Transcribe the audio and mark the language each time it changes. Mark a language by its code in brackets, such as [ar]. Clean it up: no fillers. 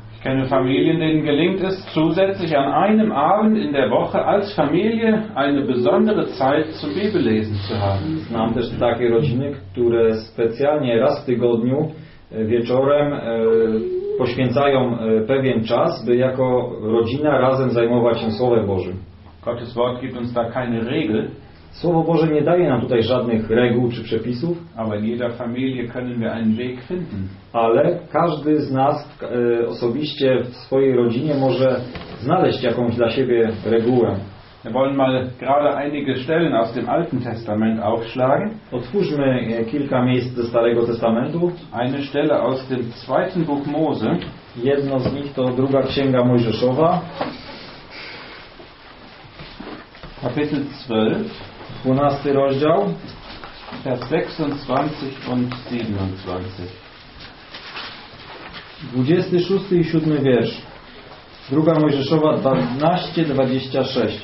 [de] Ich kenne Familien, denen gelingt es, zusätzlich an einem Abend in der Woche als Familie eine besondere Zeit zum Bibellesen zu haben. [pl] Znam też takie rodziny, które specjalnie raz w tygodniu wieczorem poświęcają pewien czas, by jako rodzina razem zajmować się Słowem Bożym. [de] Gottes Wort gibt uns da keine Regel. [pl] Słowo Boże nie daje nam tutaj żadnych reguł czy przepisów. [de] Aber jeder Familie können wir einen Weg finden. [pl] Ale każdy z nas osobiście w swojej rodzinie może znaleźć jakąś dla siebie regułę. [de] Wir wollen mal gerade einige Stellen aus dem Alten Testament aufschlagen. [pl] Otwórzmy kilka miejsc ze Starego Testamentu. [de] Eine Stelle aus dem zweiten Buch Mose. [pl] Jedno z nich to druga księga Mojżeszowa. [de] Kapitel 12. [pl] 12 rozdział. [de] Vers 26 und 27. [pl] 26 i 7 wiersz. Druga Mojżeszowa 12:26.